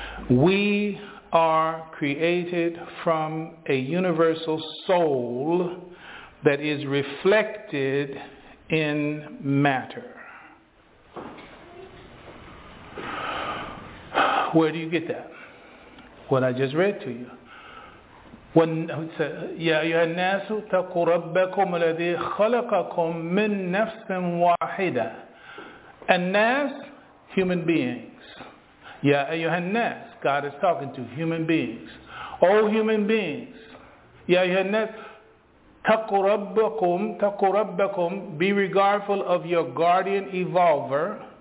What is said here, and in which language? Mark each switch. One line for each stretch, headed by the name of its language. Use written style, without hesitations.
English: We are created from a universal soul that is reflected in matter. Where do you get that? What I just read to you.
Arabic: يا أيها الناس اتقوا ربكم الذي خلقكم من نفس واحدة.
English: الناس human beings.
Arabic: يا أيها الناس,
English: God is talking to human beings. All human beings.
Arabic: يا أيها الناس اتقوا ربكم, اتقوا ربكم,
English: be regardful of your guardian evolver.